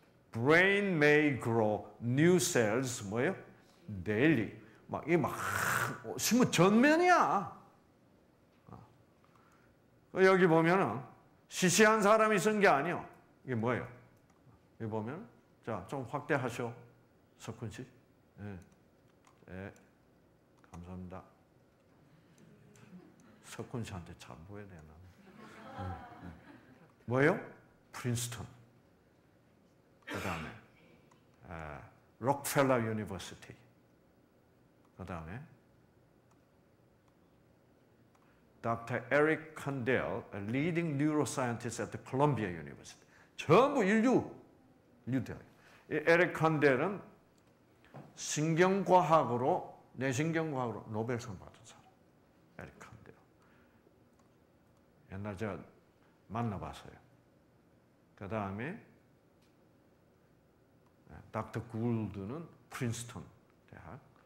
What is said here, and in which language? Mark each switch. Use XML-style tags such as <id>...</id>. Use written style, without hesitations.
<en>Brain may grow new cells.</en> <ko>뭐예요? Daily. 막 이게 막 신문 전면이야. 여기 보면은 시시한 사람이 쓴 게 아니요. 이게 뭐예요? 여기 보면 자, 좀 확대하셔. 석훈 씨. 예. 예. 감사합니다. 석훈 씨한테 잘 보여야 되나? 예. 뭐예요? 프린스턴. 그다음에 아, 록펠러 유니버시티. 그다음에 Dr.</ko> <en>Eric Kandel, a leading neuroscientist at the Columbia University.</en> <ko>전부 인류 대학. 이 에릭 칸델은 신경과학으로, 뇌신경과학으로 노벨상 받은 사람. 에릭 칸델. 옛날 제가 만나봤어요. 그 다음에 닥터 굴드는 프린스턴 대학.</ko>